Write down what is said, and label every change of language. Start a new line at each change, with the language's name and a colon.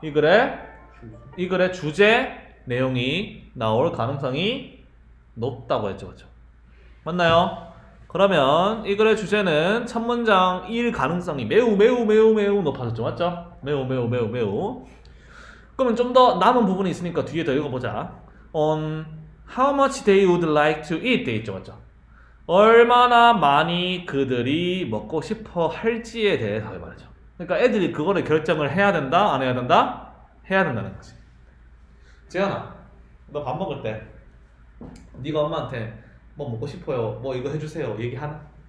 Korean: 이 글의 주제 내용이 나올 가능성이 높다고 했죠. 그죠? 맞나요? 그러면 이 글의 주제는 첫 문장일 가능성이 매우 매우 매우 매우 높아졌죠. 맞죠? 매우 매우 매우 매우. 그러면 좀 더 남은 부분이 있으니까 뒤에 더 읽어보자.
English: On how much they would like to eat
Korean: 돼 있죠. 맞죠? 얼마나 많이 그들이 먹고 싶어 할지에 대해서 말하죠. 그러니까 애들이 그거를 결정을 해야 된다? 안 해야 된다? 해야 된다는 거지. 재현아, 너 밥 먹을 때 네가 엄마한테 뭐 먹고 싶어요, 뭐 이거 해주세요 얘기하나?